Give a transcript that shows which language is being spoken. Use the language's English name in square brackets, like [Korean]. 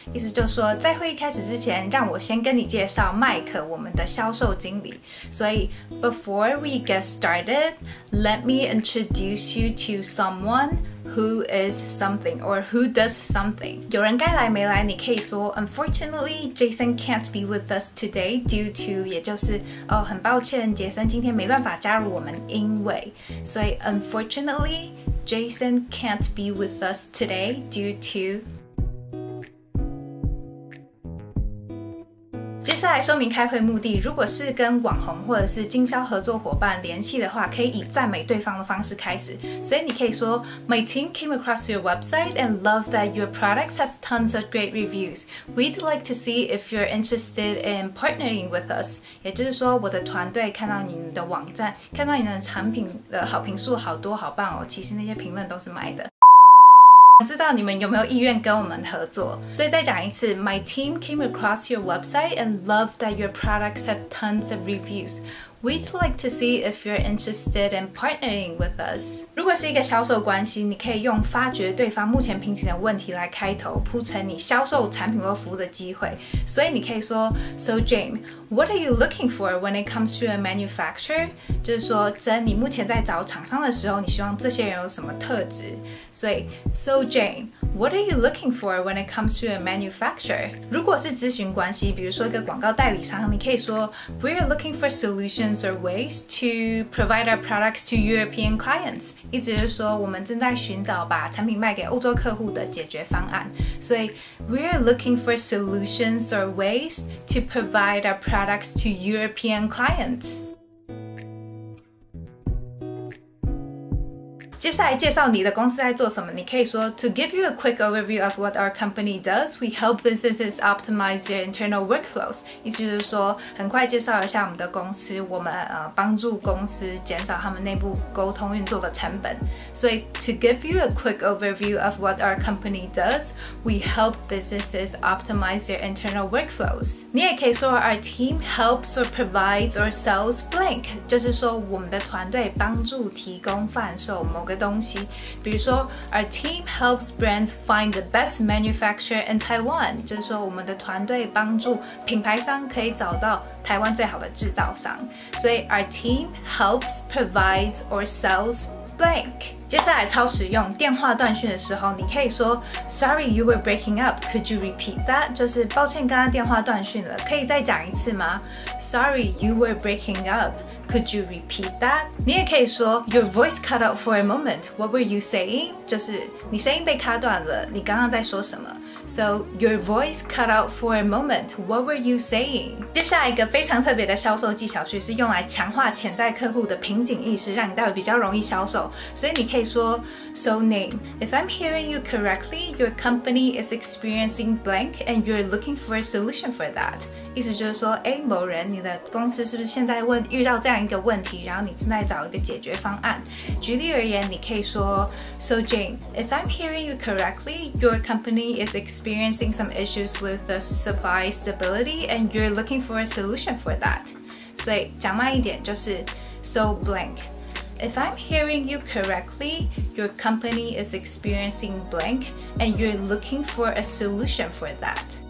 [Chinese] 意思就是说，在会议开始之前，让我先跟你介绍麦克，我们的销售经理。所以 [English] Before we get started, let me introduce you to someone who is something or who does something. [Chinese] 有人该来没来，你可以说 [English] Unfortunately, Jason can't be with us today due to, [Chinese] 也就是哦，很抱歉，杰森今天没办法加入我们，因为 [English] So unfortunately, Jason can't be with us today due to... [Chinese] 接下来说明开会目的，如果是跟网红或者是经销合作伙伴联系的话，可以以赞美对方的方式开始。所以你可以说 [English] My team came across your website and love that your products have tons of great reviews. We'd like to see if you're interested in partnering with us. [Chinese] 也就是说，我的团队看到你的网站，看到你的产品的好评数好多，好棒哦，其实那些评论都是买的。知道你们有没有意愿跟我们合作，所以再讲一次 [English] My team came across your website and loved that your products have tons of reviews. We'd like to see if you're interested in partnering with us. [Chinese] 如果是一个销售关系，你可以用发掘对方目前瓶颈的问题来开头，铺陈你销售产品或服务的机会。所以你可以说 [English] So Jane, what are you looking for when it comes to a manufacturer? [Chinese] 就是说 Jane, 你目前在找厂商的时候，你希望这些人有什么特质？所以 [English] So Jane, what are you looking for when it comes to a manufacturer? [Chinese] 如果是咨询关系，比如说一个广告代理商，你可以说 [English] We are looking for solutions or ways to provide our products to European clients. [Chinese] 意思就是说我们正在寻找把产品卖给欧洲客户的解决方案。所以 [English] We are looking for solutions or ways to provide our products to European clients. [Chinese] 接下来介绍你的公司在做什么，你可以说 [English] To give you a quick overview of what our company does, we help businesses optimize their internal workflows. [Chinese] 意思就是说，很快介绍一下我们的公司，我们帮助公司减少他们内部沟通运作的成本。所以 [English] To give you a quick overview of what our company does, we help businesses optimize their internal workflows. [Chinese] 你也可以说 [English] Our team helps or provides or sells blank. [Chinese] 就是说我们的团队帮助提供贩售某个东西，比如说 [English] Our team helps brands find the best manufacturer in Taiwan. [Chinese] 就是说我们的团队帮助品牌商可以找到台湾最好的制造商。所以 [English] Our team helps provides or sells blank. [Chinese] 接下来超实用，电话断讯的时候你可以说 [English] Sorry you were breaking up, could you repeat that? [Chinese] 就是抱歉刚刚电话断讯了，可以再讲一次吗？ [English] Sorry you were breaking up,Could you repeat that? [Chinese] 你也可以说 [English] Your voice cut out for a moment. What were you saying? [Chinese] 就是你声音被卡断了，你刚刚在说什么？ [English] So, your voice cut out for a moment. What were you saying? [Chinese] 接下来一个非常特别的销售技巧句是用来强化潜在客户的瓶颈意识，让你待会比较容易销售。所以你可以说 [English] So Name, if I'm hearing you correctly, your company is experiencing blank and you're looking for a solution for that. [Chinese] 意思就是说诶某人你的公司是不是现在遇到这样一个问题，然后你正在找一个解决方案。举例而言你可以说 [English] So Jane, if I'm hearing you correctly, your company isexperiencing some issues with the supply stability and you're looking for a solution for that. [Chinese] 所以讲慢一点就是 [English] So blank, If I'm hearing you correctly, your company is experiencing blank and you're looking for a solution for that.